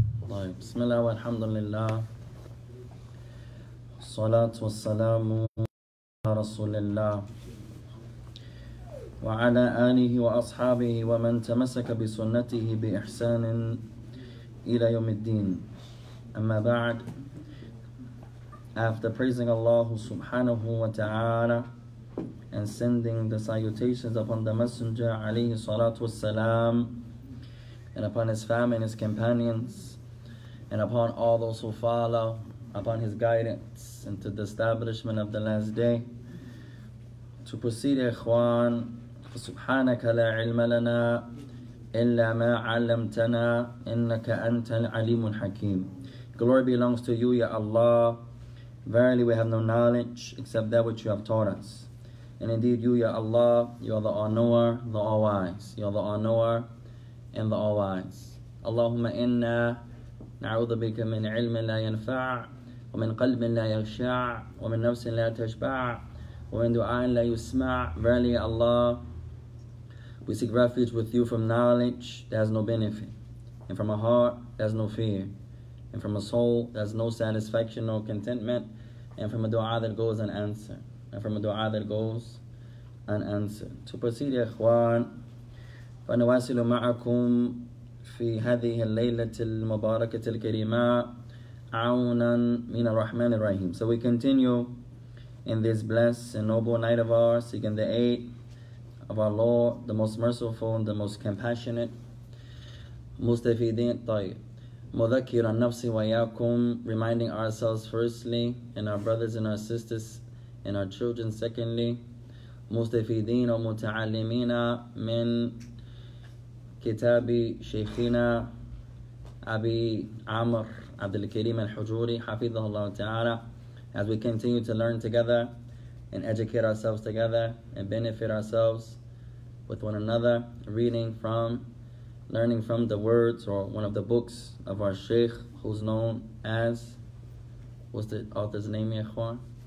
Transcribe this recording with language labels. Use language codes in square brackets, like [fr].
[ar] طيب، بسم الله والحمد لله، والصلاة والسلام على رسول الله وعلى آله وأصحابه ومن تمسك بسنته بإحسان إلى يوم الدين. أما بعد، [en] after praising Allah [ar] سبحانه وتعالى [en] and sending the salutations upon the Messenger [ar] عليه الصلاة والسلام [en] and upon his family and his companions and upon all those who follow, upon his guidance into the establishment of the last day. To proceed, ikhwan, [ar] فَسُبْحَانَكَ لَا عِلْمَ لَنَا إِلَّا مَا عَلَّمْتَنَا إِنَّكَ أَنْتَ الْعَلِيمُ الْحَكِيمُ. [en] Glory belongs to you, Ya Allah. Verily we have no knowledge except that which you have taught us. And indeed you, Ya Allah, you are the all-knower, the all-wise. You are the all-knower and the all-wise. [ar] Allahumma inna نعوذ بك من علم لا ينفع ومن قلب لا يخشع ومن نفس لا تشبع ومن دعاء لا يسمع. [en] Verily, Allah, we seek refuge with you from knowledge that has no benefit, and from a heart that has no fear, and from a soul that has no satisfaction or contentment, and from a dua that goes unanswered, and from a dua that goes unanswered. To proceed, ikhwan, [ar] فنواصل معكم في هذه الليلة المباركة الكريمة عونا من الرحمن الرحيم. [en] So we continue in this blessed and noble night of ours, seeking the aid of our Lord, the most merciful and the most compassionate. [ar] مستفيدين طيب مذكرا نفسي وياكم, [en] reminding ourselves firstly, and our brothers and our sisters and our children secondly. [ar] مستفيدين ومتعلمين من كتابي شيخنا أبي عمر عبد الكريم الحجوري حفظه الله تعالى. [en] As we continue to learn together and educate ourselves together and benefit ourselves with one another, reading from, learning from the words or one of the books of our Sheikh, who's known as, what's the author's name, Ya Ikhwan?